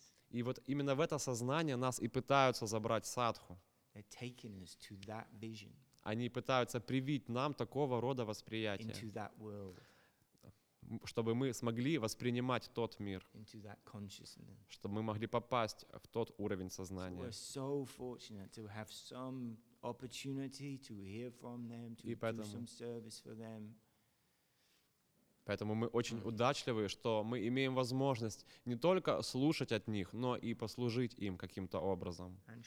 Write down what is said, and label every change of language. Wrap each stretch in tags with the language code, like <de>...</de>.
<ru>И вот именно в это сознание нас и пытаются забрать садху.</ru> <en>They're taking us to that vision.</en> <ru>Они пытаются привить нам такого рода восприятие.</ru> <en>Into that world.</en> <ru>Чтобы мы смогли воспринимать тот мир.</ru> <en>Into that consciousness.</en> <ru>Чтобы мы могли попасть в тот уровень сознания.</ru> <en>So we're so fortunate to have some opportunity to hear from them, to do some service for them.</en> <ru>Поэтому мы очень удачливы, что мы имеем возможность не только слушать от них, но и послужить им каким-то образом.</ru>